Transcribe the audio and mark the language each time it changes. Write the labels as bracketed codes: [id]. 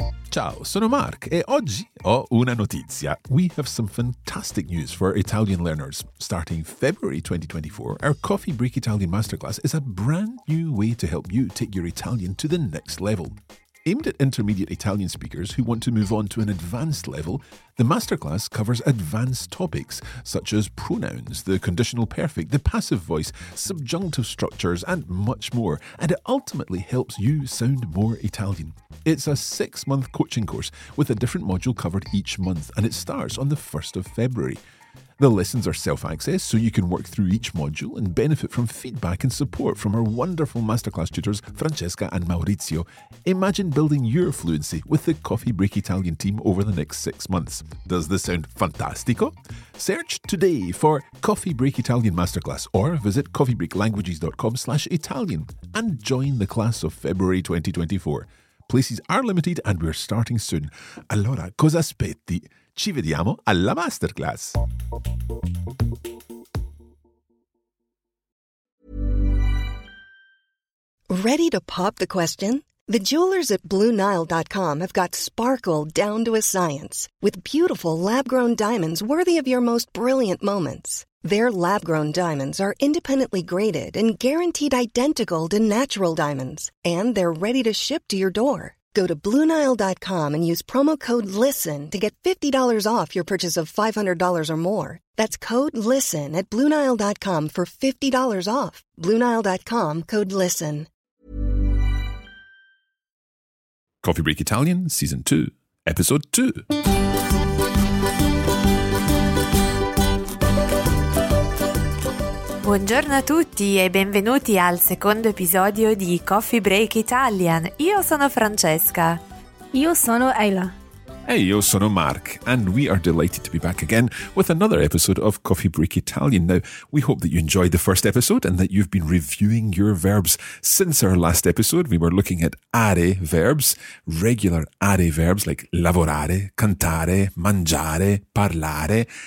[it] Ciao, sono Mark e oggi ho una notizia. [en] We have some fantastic news for Italian learners. Starting February 2024, our Coffee Break Italian Masterclass is a brand new way to help you take your Italian to the next level. Aimed at intermediate Italian speakers who want to move on to an advanced level, the masterclass covers advanced topics such as pronouns, the conditional perfect, the passive voice, subjunctive structures, and much more, and it ultimately helps you sound more Italian. It's a six-month coaching course with a different module covered each month, and it starts on the 1st of February. The lessons are self-access, so you can work through each module and benefit from feedback and support from our wonderful masterclass tutors, Francesca and Maurizio. Imagine building your fluency with the Coffee Break Italian team over the next 6 months. Does this sound fantastico? Search today for Coffee Break Italian Masterclass or visit coffeebreaklanguages.com/Italian and join the class of February 2024. Places are limited and we're starting soon. [it] Allora, cosa aspetti? Ci vediamo alla masterclass. [en] Ready to pop the question? The jewelers at BlueNile.com have got sparkle down to a science with beautiful lab-grown diamonds worthy of your most brilliant moments. Their lab-grown diamonds are independently graded and guaranteed identical to natural diamonds, and they're ready to ship to your door. Go to BlueNile.com and use promo code LISTEN to get $50 off your purchase of $500 or more. That's code LISTEN at BlueNile.com for $50 off. BlueNile.com, code LISTEN. Coffee Break Italian, Season 2, Episode 2. [it] Buongiorno a tutti e benvenuti al secondo episodio di Coffee Break Italian. Io sono Francesca. Io sono Ayla. E io sono Mark. [en] And we are delighted to be back again with another episode of Coffee Break Italian. Now, we hope that you enjoyed the first episode and that you've been reviewing your verbs. Since our last episode, we were looking at are verbs, regular are verbs like lavorare, cantare, mangiare, parlare.